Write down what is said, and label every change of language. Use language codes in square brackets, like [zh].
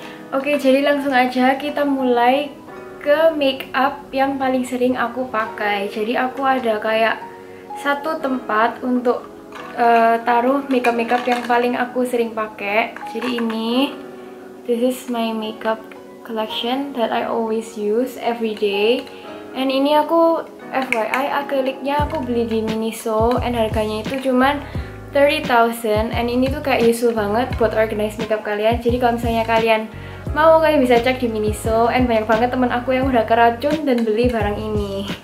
[id] Oke, jadi langsung aja kita mulai ke make up yang paling sering aku pakai. Jadi aku ada kayak satu tempat untuk taruh makeup yang paling aku sering pakai. Jadi ini, [en] this is my makeup collection that I always use every day. [id] And ini aku FYI akriliknya aku beli di Miniso and harganya itu cuman 30,000. And ini tuh kayak useful banget buat organize makeup kalian. Jadi kalau misalnya kalian mau, kalian bisa cek di Miniso, and banyak banget teman aku yang udah keracun dan beli barang ini.